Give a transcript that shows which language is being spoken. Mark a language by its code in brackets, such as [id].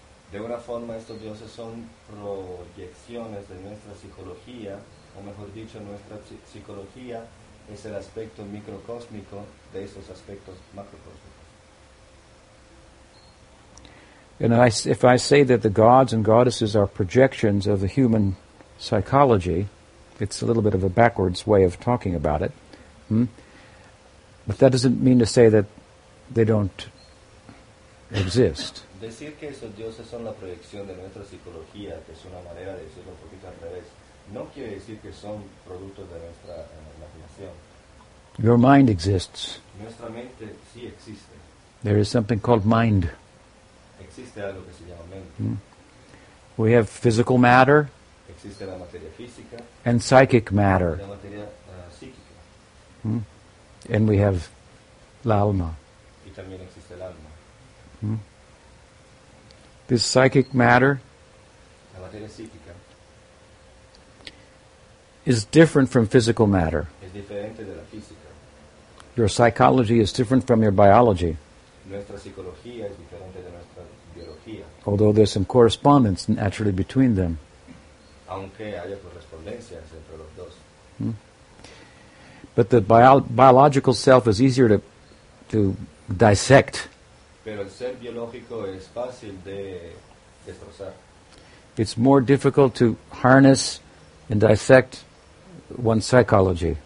[es] De una forma, estos dioses son proyecciones de nuestra psicología, o mejor dicho, nuestra psicología es el aspecto microcósmico de esos aspectos macrocósmicos. [en] And if I say that the gods and goddesses are projections of the human psychology, it's a little bit of a backwards way of talking about it. But that doesn't mean to say that they don't exist. [es] Decir que esos dioses son la proyección de nuestra psicología, que es una manera de decirlo un poquito al revés, no quiere decir que son productos de nuestra imaginación. [en] Your mind exists. [es] Nuestra mente sí existe. [en] There is something called mind. [es] Existe algo que se llama mente. [en] We have physical matter. [es] Existe la materia física. [en] And psychic matter. [es] La materia psíquica. [en] And we have l'alma. [es] Y también existe l'alma. [en] This psychic matter, [es] la materia psíquica, [en] is different from physical matter. [es] Es diferente de la física. [en] Your psychology is different from your biology. [es] Nuestra psicología es diferente de nuestra biología. [en] Although there's some correspondence naturally between them. [es] Aunque haya correspondencias entre los dos. [en] But the biological self is easier to dissect. [es] Pero el ser biológico es fácil de destrozar. [en] It's more difficult to harness and dissect one's psychology.